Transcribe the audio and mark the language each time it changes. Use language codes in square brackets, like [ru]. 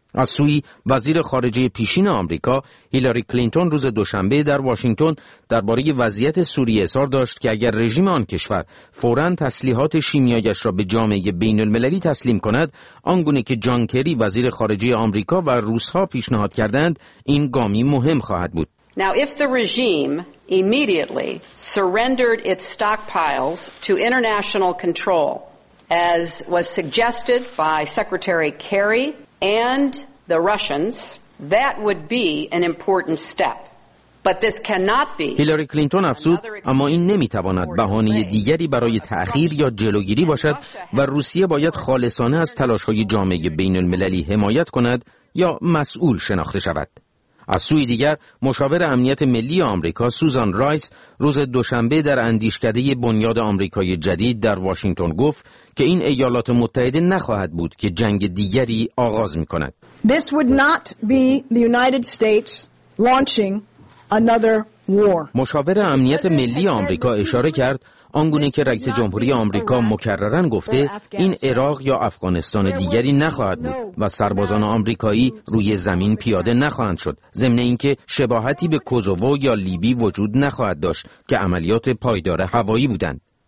[fa] از سوی وزیر خارجه پیشین آمریکا هیلاری کلینتون روز دوشنبه در واشنگتن درباره وضعیت سوریه اظهار داشت که اگر رژیم آن کشور فوراً تسلیحات شیمیاییش را به جامعه بین المللی تسلیم کند، آنگونه که جان کری وزیر خارجه آمریکا و روسها پیشنهاد کردند، این گامی مهم خواهد بود. [en] Now if the regime immediately surrendered its stockpiles to international control as was suggested by Secretary Kerry and the Russians, that would be an important step. But this cannot be. [fa] هیلاری کلینتون افزود اما این نمیتواند بهانه دیگری برای تأخیر یا جلوگیری باشد و روسیه باید خالصانه از تلاش‌های جامعه بین المللی حمایت کند یا مسئول شناخته شود. از سوی دیگر مشاور امنیت ملی آمریکا سوزان رایس روز دوشنبه در اندیشکده بنیاد آمریکای جدید در واشنگتن گفت که این ایالات متحده نخواهد بود که جنگ دیگری آغاز می‌کند. [en] This would not be the United States launching another war. [fa] مشاور امنیت ملی آمریکا اشاره کرد آنگونه که رئیس جمهوری آمریکا مکررن گفته این عراق یا افغانستان دیگری نخواهد بود و سربازان آمریکایی روی زمین پیاده نخواهند شد، ضمن اینکه شباهتی به کوزوو یا لیبی وجود نخواهد داشت که عملیات پایدار هوایی بودند.